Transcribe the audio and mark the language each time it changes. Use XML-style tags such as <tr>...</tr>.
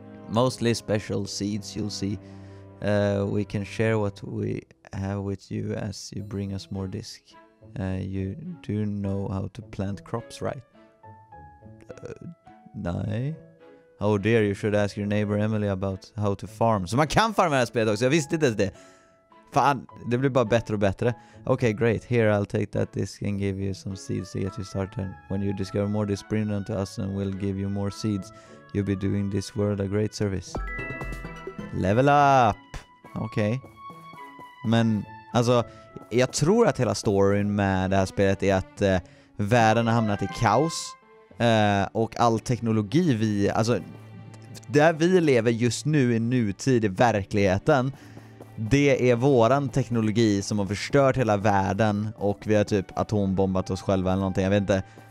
<en>Mostly special seeds, you'll see. We can share what we have with you as you bring us more disc. You do know how to plant crops, right? Oh dear, you should ask your neighbor Emily about how to farm.</en> <sv>Så man kan farma det här spelet också, jag visste inte det. Fan, det blir bara bättre och bättre.</sv> <en>Okay, great. Here, I'll take that disc and give you some seeds to get you started. When you discover more disc, bring them to us and we'll give you more seeds. You'll be doing this world a great service. Level up! Okay.</en> <sv>Men, alltså, jag tror att hela storyn med det här spelet är att världen har hamnat i kaos. Och all teknologi vi, alltså, där vi lever just nu i nutid i verkligheten, det är våran teknologi som har förstört hela världen och vi har typ atombombat oss själva eller någonting, jag vet inte.</sv>